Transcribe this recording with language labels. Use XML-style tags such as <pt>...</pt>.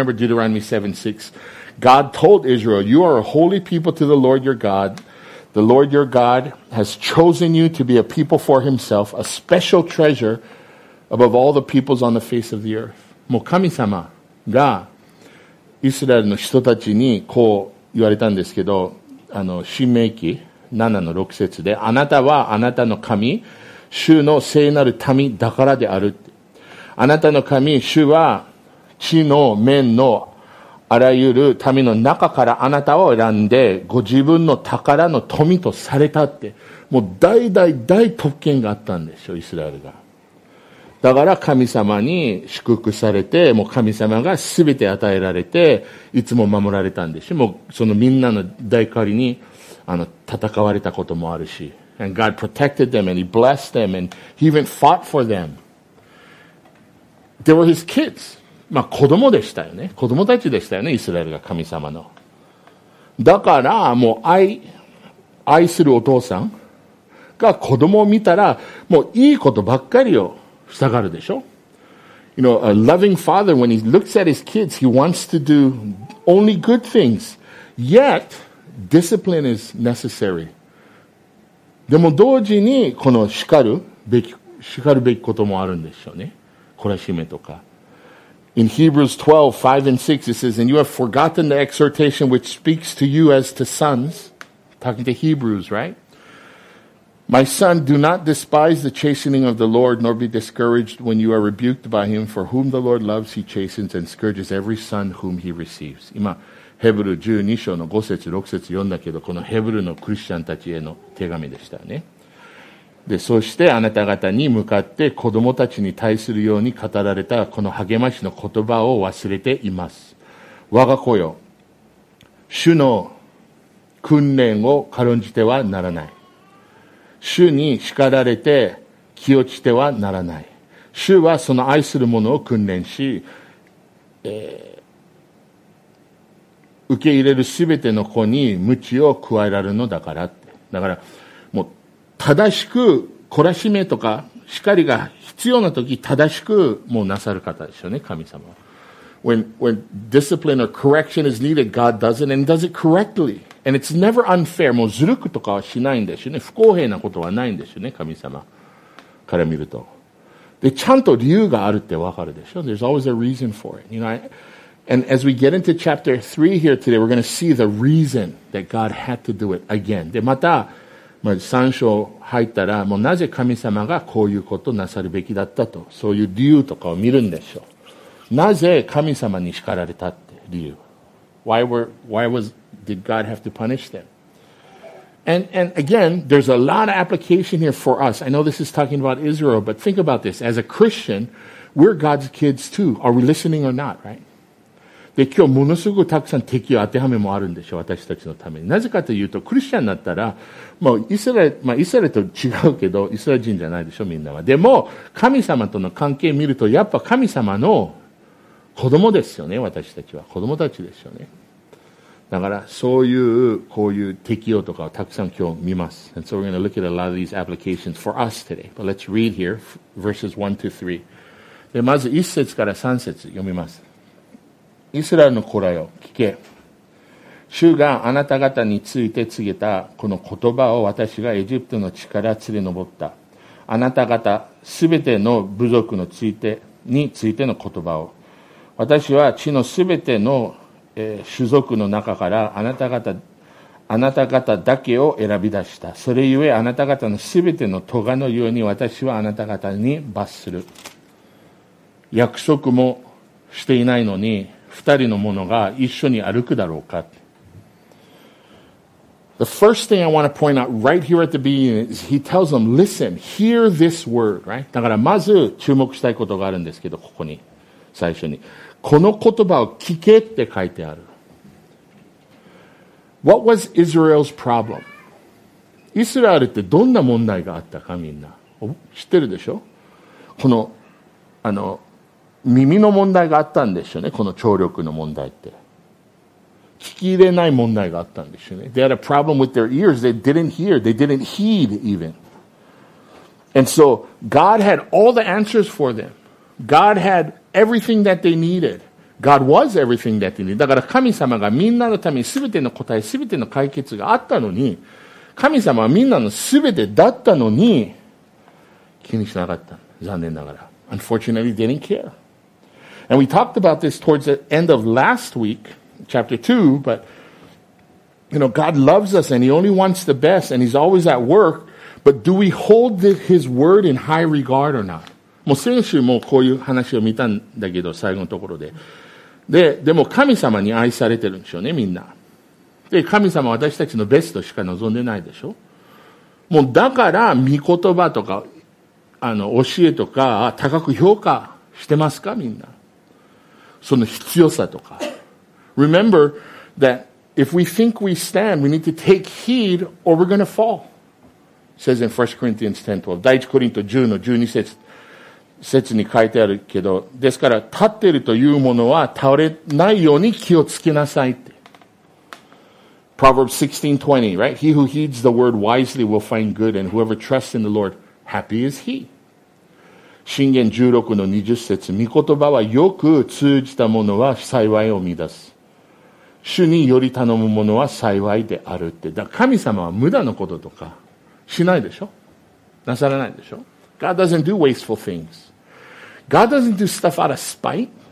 <en>Remember Deuteronomy 7:6. God told Israel, You are a holy people to the Lord your God. The Lord your God has chosen you to be a people for himself, a special treasure above all the peoples on the face of the earth.</en> <ja>もう神様がイスラエルの人たちにこう言われたんですけど、あの新明記7の6節で、あなたはあなたの神主の聖なる民だからである。あなたの神主は地の面のあらゆる民の中からあなたを選んでご自分の宝の富とされたって、もう代々大特権があったんでしょ、イスラエルが。だから神様に祝福されて、もう神様が全て与えられて、いつも守られたんでしょ。もうそのみんなの代わりに、あの、戦われたこともあるし。</ja> <en>And God protected them and He blessed them and He even fought for them. They were His kids.</en> <ja>まあ子供でしたよね。子供たちでしたよね、イスラエルが神様の。だからもう愛するお父さんが子供を見たら、もういいことばっかりよ。従うでしょ。</ja> <en>You know, a loving father, when he looks at his kids, he wants to do only good things. Yet, discipline is necessary.</en> <ja>でも同時に、この叱るべきこともあるんでしょうね。懲らしめとか。</ja> <en>In Hebrews 12, 5 and 6, it says, And you have forgotten the exhortation which speaks to you as to sons. Talking to Hebrews, right? My son, do not despise the chastening of the Lord, nor be discouraged when you are rebuked by him. For whom the Lord loves, he chastens and scourges every son whom he receives.</en> <ja>今、ヘブル12章の5節、6節読んだけど、このヘブルのクリスチャンたちへの手紙でしたね。で、そしてあなた方に向かって子供たちに対するように語られたこの励ましの言葉を忘れています。我が子よ、主の訓練を軽んじてはならない。主に叱られて気落ちてはならない。主はその愛する者を訓練し、受け入れるすべての子に鞭を加えられるのだから。だからもう正しく懲らしめとか叱りが必要な時、正しくもうなさる方ですよね、神様は。</ja> <en>When discipline or correction is needed, God does it and does it correctly. And it's never unfair.</en> <ja>もうずるくとかはしないんですよね。不公平なことはないんですよね、神様から見ると。で、ちゃんと理由があるってわかるでしょ。</ja> <en>There's always a reason for it. You know, and as we get into chapter 3 here today, we're going to see the reason that God had to do it again.</en> <ja>で、また、まあ、3章入ったら、もうなぜ神様がこういうことなさるべきだったと、そういう理由とかを見るんでしょう。なぜ神様に叱られたって理由。</ja> <en>Why did God have to punish them? And again, there's a lot of application here for us. I know this is talking about Israel, but think about this. As a Christian, we're God's kids too. Are we listening or not, right?</en> <ja>で、今日ものすごくたくさん適用当てはめもあるんでしょう、私たちのために。なぜかというと、クリスチャンになったら、もうイスラエルと違うけど、イスラエル人じゃないでしょ、みんなは。でも、神様との関係を見ると、やっぱ神様の子供ですよね、私たちは。子供たちですよね。だからそういうこういう適用とかをたくさん今日見ます。</ja> <en>And so we're going to look at a lot of these applications for us today. But let's read here verses 1-3.</en> <ja>で、まず1節から3節読みます。イスラエルの子らよ、聞け。主があなた方について告げたこの言葉を私がエジプトの地から連れ上った。あなた方すべての部族のついてについての言葉を。私は地のすべての種族の中からあなた方だけを選び出した。それゆえあなた方のすべての咎のように私はあなた方に罰する。約束もしていないのに二人の者が一緒に歩くだろうか。</ja> <en>The first thing I want to point out right here at the beginning is he tells them, listen, hear this word, right?</en> <ja>だからまず注目したいことがあるんですけど、ここに最初にこの言葉を聞けって書いてある。</ja> <en>What was Israel's problem?</en> <ja>イスラエルってどんな問題があったか、みんな知ってるでしょ。この、耳の問題があったんですよね。この聴力の問題って。聞き入れない問題があったんですよね。</ja> <en>They had a problem with their ears. They didn't hear. They didn't heed even. And so, God had all the answers for them. God had everything that they needed. God was everything that they needed.</en> <ja>だから神様がみんなのために全ての答え、全ての解決があったのに、神様はみんなの全てだったのに気にしなかった。残念ながら。</ja> <en>Unfortunately, they didn't care. And we talked about this towards the end of last week, chapter 2, but you know, God loves us and he only wants the best and he's always at work, but do we hold his word in high regard or not?</en> <ja>もう先週もこういう話を見たんだけど、最後のところで。で、でも神様に愛されてるんでしょうね、みんな。で、神様は私たちのベストしか望んでないでしょ。もうだから、御言葉とか、教えとか、高く評価してますか、みんな。その必要さとか。</ja> <en>Remember that if we think we stand, we need to take heed or we're going to fall. Says in 1 Corinthians 10:12.</en> <ja>第1コリント10の12節。説に書いてあるけど、ですから立っているというものは倒れないように気をつけなさいって。</ja> <en>Proverbs 16:20, right? He who heeds the word wisely will find good, and whoever trusts in the Lord, happy is he.</en> <ja>箴言16:20節、御言葉はよく通じたものは幸いを見出す。主により頼むものは幸いであるって。だから神様は無駄のこととかしないでしょ？なさらないでしょ？</ja> <en>God doesn't do wasteful things. God doesn't do stuff out of spite.</en>